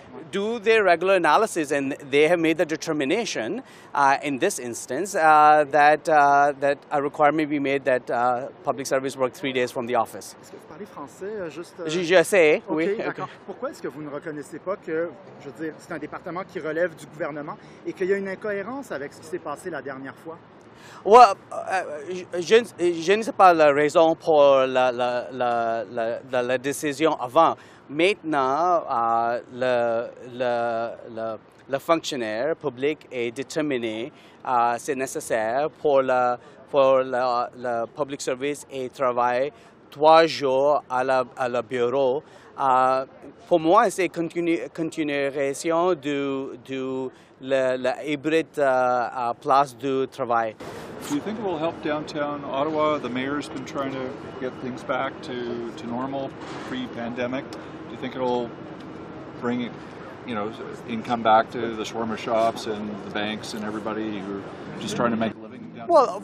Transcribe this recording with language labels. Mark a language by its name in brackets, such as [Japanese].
[English] Do their regular analysis, and they have made the determination in this instance that a requirement be made that public service work 3 days from the office. [French] Est-ce que vous parlez français, juste, Je sais, okay, oui. Okay. Pourquoi est-ce que vous ne reconnaissez pas que, je veux dire, c'est un département qui relève du gouvernement et qu'il y a une incohérence avec ce qui s'est passé la dernière fois? [English] Well, [French] je ne sais pas la raison pour la décision avant. Maintenant, le fonctionnaire public est déterminé c'est nécessaire pour le [English] public service [French] et travaille 3 jours à la bureau. Pour moi, c'est continuation du la hybride place du travail. [English] Do you think it will help downtown Ottawa? The mayor's been trying to get things back to normal pre-pandemic. Do you think it will bring, you know, income back to the shawarma shops and the banks and everybody who are just trying to make a living downtown?